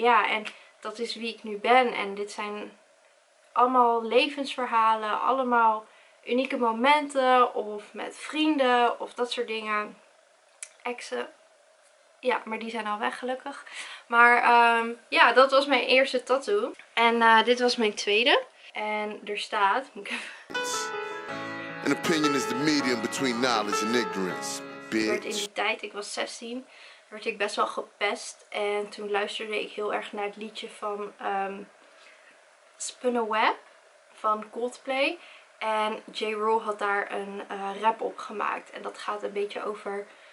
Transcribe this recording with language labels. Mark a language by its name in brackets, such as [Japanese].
[Dutch] Ja, en dat is wie ik nu ben. En dit zijn allemaal levensverhalen. Allemaal unieke momenten. Of met vrienden. Of dat soort dingen. Exen. Ja, maar die zijn al weg gelukkig. Maar ja, dat was mijn eerste tattoo. En dit was mijn tweede. En er staat... [English] An opinion is the medium between knowledge and ignorance, bitch. [Dutch] Werd in die tijd, ik was 16, werd ik best wel gepest. En toen luisterde ik heel erg naar het liedje van Spun a Web van Coldplay. En J. Rowe had daar een rap op gemaakt. En dat gaat een beetje over...